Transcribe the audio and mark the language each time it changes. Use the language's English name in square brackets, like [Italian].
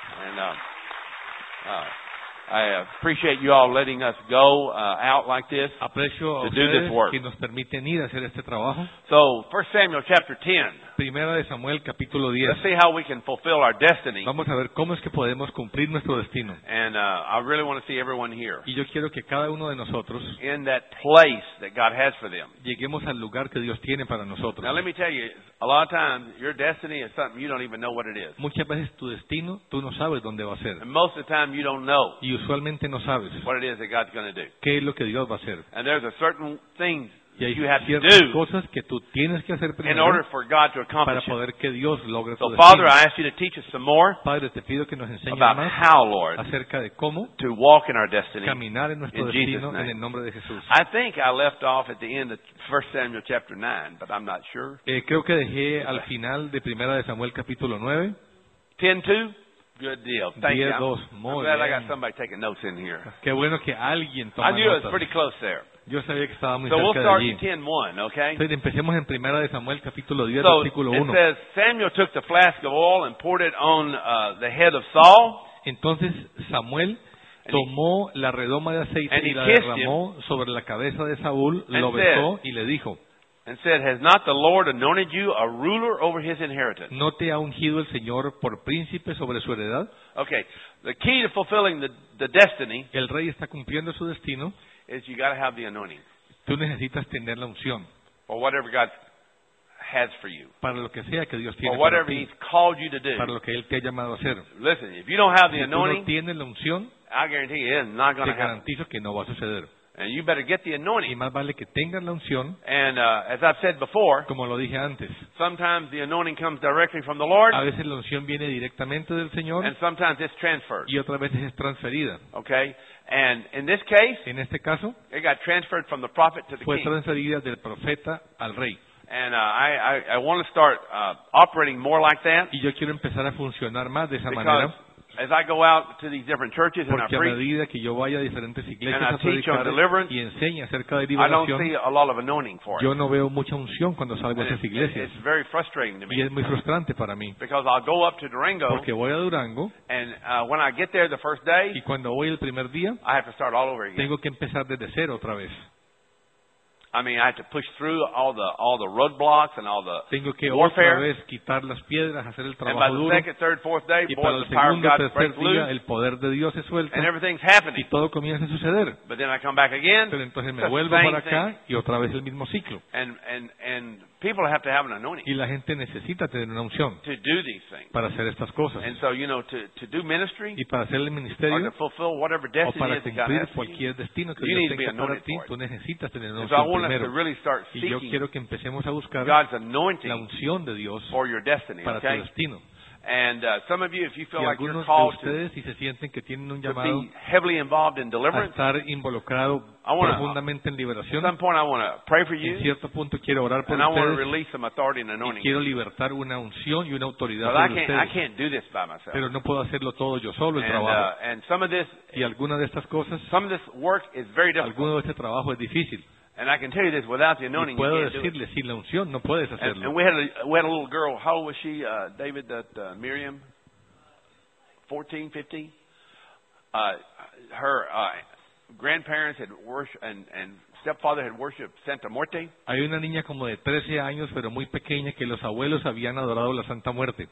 [English] And I appreciate you all letting us go out like this [Spanish] Aprecio [English] to do this work. [Spanish] Que nos permiten ir a hacer este trabajo. [English] So, 1 Samuel chapter 10. [Spanish] Primera de Samuel, capítulo 10. [English] Let's see how we can fulfill our destiny. [Spanish] Vamos a ver cómo es que podemos cumplir nuestro destino. [English] And I really want to see everyone here. [Spanish] Y yo quiero que cada uno de nosotros [English] in that place that God has for them. [Spanish] Lleguemos al lugar que Dios tiene para nosotros. [English] Now let me tell you, a lot of times your destiny is something you don't even know what it is. [Spanish] Muchas veces tu destino, tú no sabes dónde va a ser. [English] And most of the time you don't know. [Spanish] Y usualmente no sabes [English] what it is that God's going to do. [Spanish] Qué es lo que Dios va a hacer. [English] And there's a certain thing. [Spanish] Y hay ciertas cosas que tú tienes que hacer primero para poder que Dios logre tu destino. [English] Father, I ask you to teach us some more. [Spanish] Padre, te pido que nos enseñes [English] about [Spanish] más [English] how, Lord, [Spanish] acerca de cómo [English] to walk in our destiny, [Spanish] caminar en nuestro [English] in [Spanish] destino [English] Jesus [Spanish] en el nombre de Jesús. [English] I think I left off at the end of 1 Samuel chapter 9, but I'm not sure. [Spanish] Creo que dejé al final de 1 de Samuel capítulo 9. [English] 10:2. Good deal. Thank you. 10:2. I'm glad I got somebody taking notes in here. [Spanish] Qué bueno que alguien toma notas. [English] I knew [Spanish] notas. [English] It was pretty close there. [Spanish] Yo sabía que estaba muy [English] so [Spanish] cerca [English] we'll start [Spanish] de allí. [English] In 10:1, okay? [Spanish] Entonces empecemos en 1 Samuel capítulo 10, [English] so [Spanish] versículo 1. [English] It says, Samuel took the flask of oil and poured it on the head of Saul. [Spanish] Entonces Samuel tomó la redoma de aceite y la derramó sobre la cabeza de Saúl, lo besó y le dijo. [English] And said, has not the Lord anointed you a ruler over his inheritance? [Spanish] ¿No te ha ungido el Señor por príncipe sobre su heredad? [English] Okay. The key to fulfilling the destiny, [Spanish] el rey está cumpliendo su destino, [English] is you got to have the anointing. [Spanish] Tú necesitas tener la unción. [English] Or whatever God has for you. [Spanish] Para lo que sea que Dios tiene [English] or whatever [Spanish] para ti, [English] he's called you to do. [Spanish] Para lo que él te ha llamado a hacer. [English] Listen, if you don't have the [Spanish] si [English] anointing, [Spanish] no tienes la unción, [English] I guarantee you it is not going to happen. [Spanish] Te garantizo que no va a suceder. [English] And you better get the anointing. [Spanish] Y más vale que tengas la unción. [English] And as I've said before, [Spanish] como lo dije antes, [English] sometimes the anointing comes directly from the Lord. [Spanish] A veces la unción viene directamente del Señor. [English] And sometimes it's transferred. [Spanish] Y otras veces es transferida. [English] Okay. And in this case, [Spanish] en este caso, [English] it got transferred from the prophet to the [Spanish] fue [English] king. [Spanish] Fue transferida del profeta al rey. [English] And I want to start operating more like that. [Spanish] Y yo quiero empezar a funcionar más de esa [English] because [Spanish] manera. [English] As I go out to these different churches and [Spanish] porque [English] I preach, [Spanish] a medida que yo vaya a diferentes iglesias [English] and I teach on deliverance, [Spanish] y enseño acerca de liberación, [English] I don't see a lot of anointing for it. [Spanish] Yo no veo mucha unción cuando salgo [English] and [Spanish] a esas iglesias. [English] It's very frustrating to me. [Spanish] Y es muy frustrante para mí. [English] Because I'll go up to Durango, [Spanish] porque voy a Durango, [English] and when I get there the first day, [Spanish] y cuando voy el primer día, [English] I have to start all over again. [Spanish] Tengo que empezar desde cero otra vez. [English] I mean, I have to push through all the roadblocks and all the warfare. [Spanish] Tengo que [English] warfare. [Spanish] Otra vez quitar las piedras, hacer el trabajo [English] and by the [Spanish] duro. [English] Second, third, fourth day, [Spanish] y para el segundo, tercer día, el poder de Dios se suelta. [English] And everything's happening. [Spanish] Y todo comienza a suceder. [English] But then I come back again. [Spanish] Pero entonces me vuelvo para acá y otra vez el mismo ciclo. [English] And people have to have an anointing. [Spanish] Y la gente necesita tener una unción. [English] To do these things. [Spanish] Para hacer estas cosas. [English] And so, you know, to do ministry. [Spanish] Y para hacer el ministerio. [English] Or to fulfill whatever destiny [Spanish] o para cumplir [English] God [Spanish] cualquier [English] you. [Spanish] Destino que [English] you [Spanish] Dios [English] need [Spanish] tenga [English] to be anointed [Spanish] para ti. Tú necesitas tener una [English] and [Spanish] unción. [English] So [Spanish] primero, [English] to really start [Spanish] y yo quiero que empecemos a buscar [English] God's anointing [Spanish] la unción de Dios [English] for your destiny, [Spanish] para [English] okay? [Spanish] tu destino. [English] And some of you, if you feel [Spanish] y [English] like you're called [Spanish] ustedes, [English] to, [Spanish] si se sienten que tienen un llamado, [English] to be heavily involved in deliverance, [Spanish] a estar involucrado profundamente en liberación, [English] at some point I want to pray for you, [Spanish] en cierto punto quiero orar por [English] and [Spanish] ustedes, [English] I want to release some authority and anointing. [Spanish] Y quiero libertar una unción y una autoridad [English] but [Spanish] sobre ustedes. [English] I can't do this by myself. [Spanish] Pero no puedo hacerlo todo yo solo, el trabajo. [English] And some of this, [Spanish] y alguna de estas cosas, [English] some of this work is very difficult. [Spanish] Alguno de este trabajo es difícil. [English] And I can tell you this: without the anointing, [Spanish] puedo [English] you can't [Spanish] decirle, [English] do it. [Spanish] Sin la unción, no puedes hacerlo. [English] And we had a little girl. How old was she, David? That Miriam, 14, 15. Her grandparents had worshiped, and stepfather had worshiped Santa Muerte. [Spanish] Hay una niña como de 13 años, pero muy pequeña, que los abuelos habían adorado la Santa Muerte.